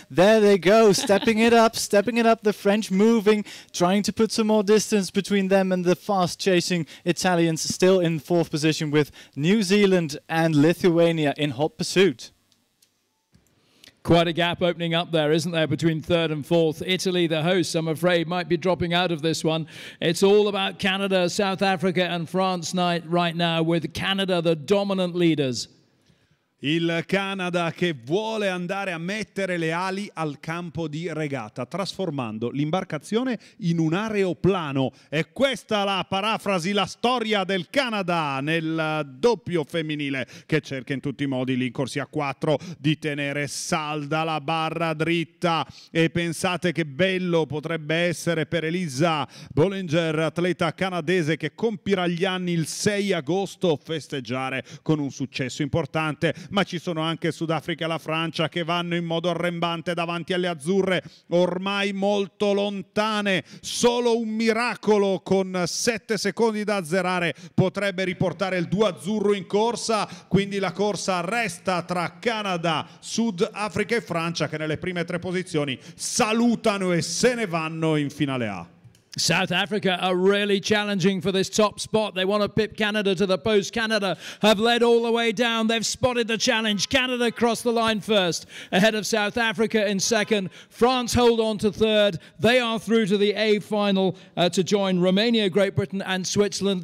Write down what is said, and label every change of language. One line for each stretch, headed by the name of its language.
English: There they go, stepping it up, stepping it up. The French moving, trying to put some more distance between them and the fast-chasing Italians, still in fourth position with New Zealand and Lithuania in hot pursuit. Quite a gap opening up there, isn't there, between third and fourth. Italy, the hosts, I'm afraid, might be dropping out of this one. It's all about Canada, South Africa and France right now, with Canada the dominant leaders.
Italian: Il Canada che vuole andare a mettere le ali al campo di regata, trasformando l'imbarcazione in un aeroplano. È questa la parafrasi, la storia del Canada nel doppio femminile, che cerca in tutti i modi lì in corsia 4 di tenere salda la barra dritta. E pensate che bello potrebbe essere per Elisa Bollinger, atleta canadese che compirà gli anni il 6 agosto, festeggiare con un successo importante. Ma ci sono anche Sudafrica e la Francia che vanno in modo arrembante davanti alle azzurre, ormai molto lontane. Solo un miracolo con 7 secondi da azzerare potrebbe riportare il 2 azzurro in corsa. Quindi la corsa resta tra Canada, Sudafrica e Francia, che nelle prime 3 posizioni salutano e se ne vanno in finale A.
English: South Africa are really challenging for this top spot. They want to pip Canada to the post. Canada have led all the way down. They've spotted the challenge. Canada crossed the line first, ahead of South Africa in second. France hold on to third. They are through to the A final to join Romania, Great Britain and Switzerland.